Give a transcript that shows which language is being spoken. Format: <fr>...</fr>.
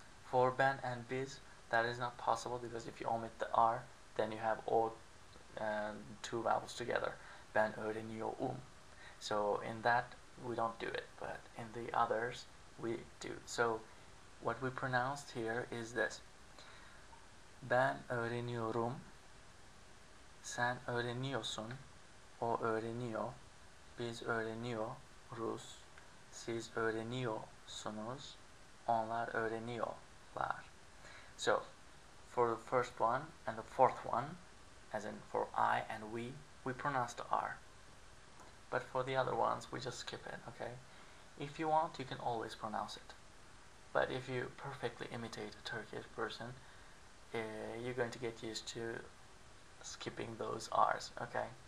<en>For ben and biz, that is not possible, because if you omit the R, then you have all two vowels together.</en> <tr>Ben öğreniyorum.</tr> <en>So in that, we don't do it, but in the others, we do. So what we pronounced here is this.</en> <tr>Ben öğreniyorum, sen öğreniyorsun, o öğreniyor, biz öğreniyoruz, siz öğreniyorsunuz, onlar öğreniyorlar.</tr> <en>So, for the first one and the fourth one, as in for I and we pronounce the R. But for the other ones, we just skip it, okay? If you want, you can always pronounce it. But if you perfectly imitate a Turkish person, you're going to get used to skipping those R's, okay?</en>